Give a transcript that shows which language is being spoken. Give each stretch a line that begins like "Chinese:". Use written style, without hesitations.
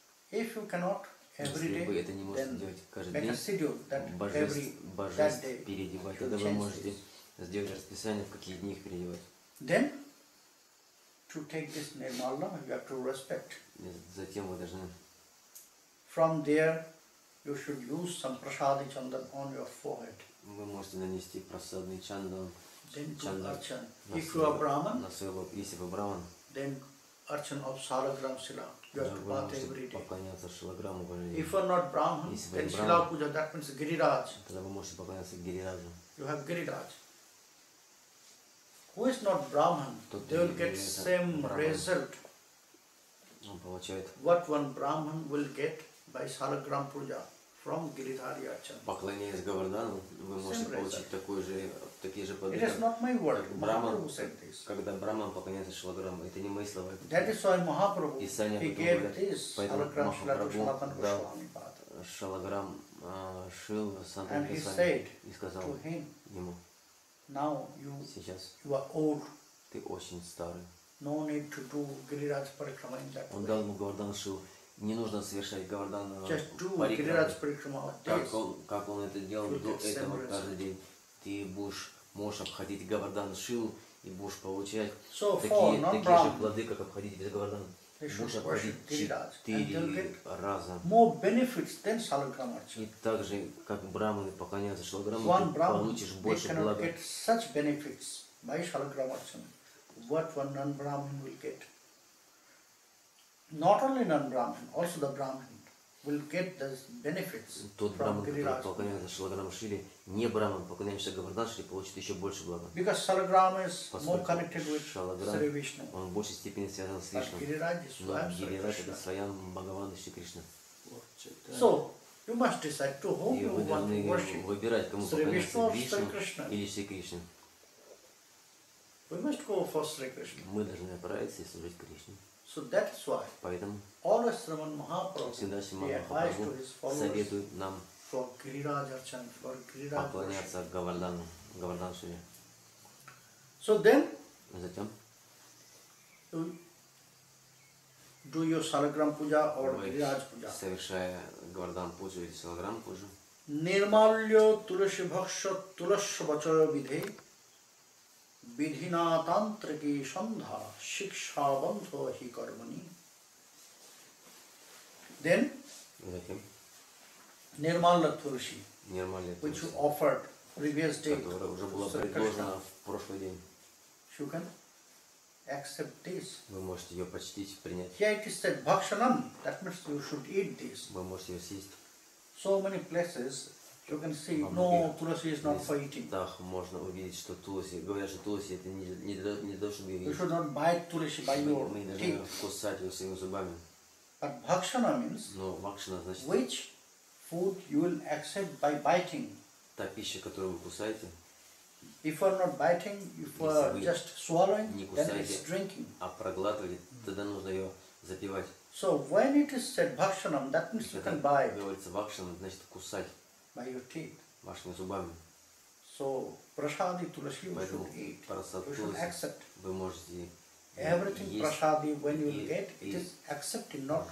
English: If you cannot, every day, then make a schedule that every that day you change this. Then, to take this nirmala, you have to respect.
Russian: Затем вы должны.
English: From there, you should use some prasadi chandan on your forehead.
Russian: Вы можете нанести прасадный чандан.
English: Then do archan. If you are Brahman.
Russian: На своего, если вы Брахман.
English: Then archan of шалограм шила. You have to bathe every day. If you are not Brahman, then шила пуджа. That means гирирадж.
Russian: Тогда вы можете поклоняться гирираджу.
English: You have гирирадж. Who is not Brahman, they will get same result. What one Brahman will get by Shalagram Puja from Giridhari Acharya.
Russian: Поклоняясь Гавардану, вы можете получить такой же, такие же подарки.
English: It is not my word. Махапрабху said this.
Russian: Когда Браман поклоняется Шиладхарам, это не мои слова.
English: That is why Махапрабху he gave this
Sanskrit: Шиладхарам Шиладхарам Шиладхарам Шиладхарам
English: and he said to him, now you are old.
Russian: Ты очень старый.
English: No need to do Giriraj Parikrama in that way.
Russian: Он дал ему Гавардану Шилу. Не нужно совершать Гавардану Парикрама. Как он это делал до этого каждый день. Ты будешь, можешь обходить Гавардану Шилу и будешь получать такие же плоды, как обходить без Гавардану. Будешь обходить 4 раза.
English: More benefits than Shalagrama.
Russian: И так же, как Браманы поклоняются Шалаграму, ты получишь больше благ.
English: They cannot get such benefits by Shalagrama. What one non-Brahmin will get. Not only non-Brahmin, also the Brahmin will get the benefits
Russian: тот
English: from Giriraj.
Russian: Поклоняется Шиладхарам Шиле, не Брахман, поклоняется Гавардан Шиле, получит еще больше блага.
English: Because Шаладхарам is more connected with
Russian: Шри Вишну. Он в большей степени связан с Вишну. Но Гирирадж это Сваям Бхагаван Шри Кришна.
English: So, you must decide to whom you want to worship.
Russian: Выбирать, кому
English: Sri
Russian: поклоняется Вишну или Шри Кришна.
English: We must go for Sri Krishna.
Russian: Мы должны отправиться и служить Кришне.
English: So that is why.
Russian: Поэтому.
English: Always Sriman Mahaprabhu.
Russian: Всегда Сриман Махапрабху советует нам.
English: For Giriraj Archan, for Giriraj.
Russian: Поклоняться Гавардану, Гавардан Шиле.
English: So then.
Russian: Затем.
English: Do your Shalagram Puja or Giriraj Puja.
Russian: Совершая Гавардан Пуджу или Шалаграм Пуджу.
Sanskrit: Нирмалья Туласи Бхакша Туласи Бачая Видхи. विधिना तंत्र की संधा शिक्षा बंधो ही कर्मणि देन निर्मल तुलसी निर्मल तुलसी
English: which offered previous day
Russian: уже было предложено в прошлый день
English: you can accept this
Russian: вы можете ее почтить принять
English: here it is said bhakshanam that means you should eat this
Russian: вы можете ее съесть
English: so many places You can see, no, tulasi is not for eating.
Russian: Так можно увидеть, что туласи, говорят, что туласи это не должен быть.
English: You should not bite tulasi by your teeth.
Russian: Мы должны кусать его своими зубами.
English: But bhakshana means.
Russian: Но bhakshana значит.
English: Which food you will accept by biting?
Russian: Та пища, которую вы кусаете.
English: If you are not biting, if you are just swallowing, не кусаете, then it's drinking.
Russian: А проглатывали, тогда нужно ее запивать.
English: So when it is said bhakshana, that means you can bite.
Russian: Говорится bhakshana значит кусать. By your teeth. Вашими зубами.
English: So, prasadi tulasi you should eat. Prasad you should accept.
Russian: Вы можете
English: Everything
Russian: есть,
English: prasadi when you will get, it is accepting, not